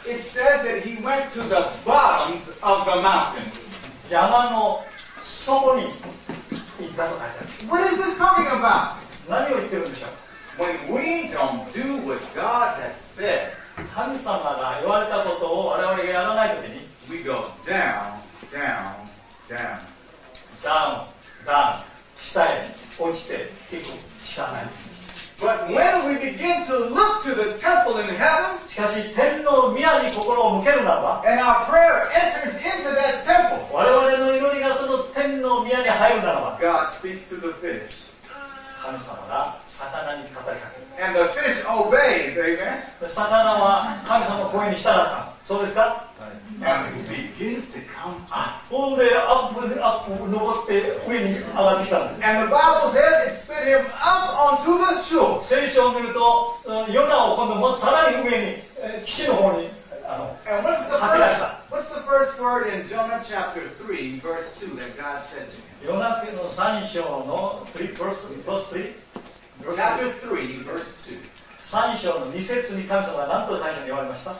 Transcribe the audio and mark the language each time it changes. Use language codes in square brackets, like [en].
[en] It says that he went to the bottoms of the mountains. [ja] 山の底に行ったと書いてある。 [en] What is this talking about? [ja] 何を言ってるんでしょう。 [en] When we don't do what God has said, [ja] 神様が言われたことを我々がやらないときに、 [en] we go down, down, down, down, down, [ja] 下へ落ちていくしかない。 [en] But when we begin to look to the temple in heaven, [ja] しかし天の宮に心を向けるならば、 [en] and our prayer enters into that temple, [ja] 我々の祈りがその天の宮に入るならば、 [en] God speaks to the fish. [ja] 神様が魚に語りかける。 [en] And the fish obeys, amen? [ja] 魚は神様の声に従った。そうですか？ [en] And it begins to come up. [ja] ほんで、アップでアップ、登って上に上がってきたんです。 [en] And the Bible says it spit him up onto the shore. [ja] 聖書を見ると、ヨナを今度もさらに上に、岸の方に吐き出した。 [en] What's the first word in Jonah chapter 3, verse 2 that God said to him? [ja] ヨナ記の三章の三章の二節に神様は何と最初に言われました？